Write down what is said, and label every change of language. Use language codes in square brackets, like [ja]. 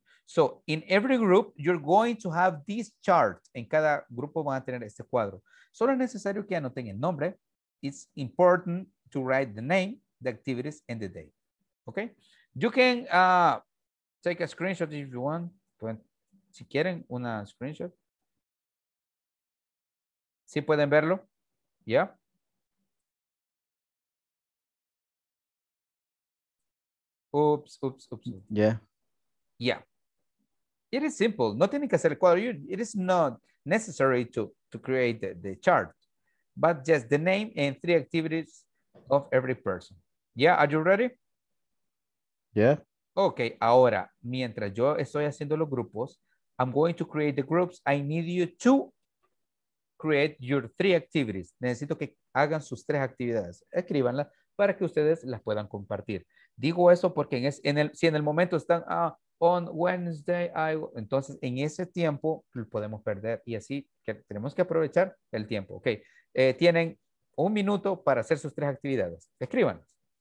[en] So, in every group, you're going to have this chart. [es] En cada grupo van a tener este cuadro. Solo es necesario que anoten el nombre. [en] It's important to write the name, the activities, and the date. Okay? You can take a screenshot if you want. [es] Si quieren, una screenshot. ¿Sí pueden verlo? Yeah? Oops. [en] Yeah. Yeah. It is simple. [es] No tiene que hacer el cuadro. [en] It is not necessary to create the chart, but just the name and three activities of every person. Yeah, are you ready? Yeah. [es] Okay, ahora, mientras yo estoy haciendo los grupos, [en] I'm going to create the groups. I need you to create your three activities. [es] Necesito que hagan sus tres actividades. Escríbanlas para que ustedes las puedan compartir. Digo eso porque si en el momento están, [en] on Wednesday, [es] entonces en ese tiempo lo podemos perder y así que tenemos que aprovechar el tiempo. Ok, tienen un minuto para hacer sus tres actividades. Escríbanlas.